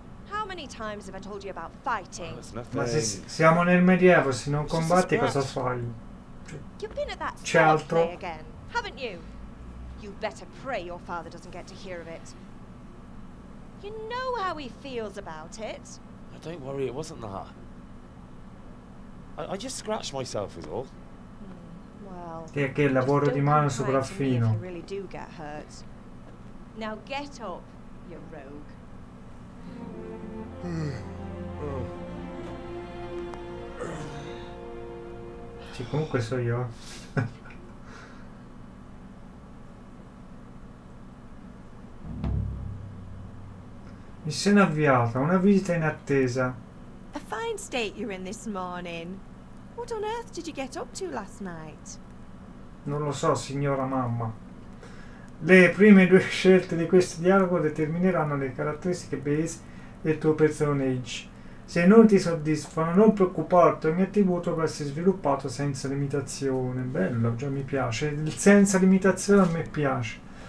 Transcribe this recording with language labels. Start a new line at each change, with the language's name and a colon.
English: How many times have I told you about fighting?
Italian: Ma se siamo nel medievo, se non combatti cosa fai?
English: You've been at that play again, haven't you? You better pray your father doesn't get to hear of it. You know how he feels about it. Don't worry, it wasn't that. I just scratched myself, is all.
Italian: Well, che lavoro di mano sopraffino.
English: Really do get hurt. Now get up, you rogue.
Italian: Sì, comunque so io. Missione avviata, una visita in attesa.
English: A fine state you're in this morning. What on earth did you get up to last night?
Italian: Non lo so, signora mamma. Le prime due scelte di questo dialogo determineranno le caratteristiche base del tuo personaggio. Se non ti soddisfano, non preoccuparti, ogni attributo può essere sviluppato senza limitazione. Bello, già mi piace. Il senza limitazione a me piace.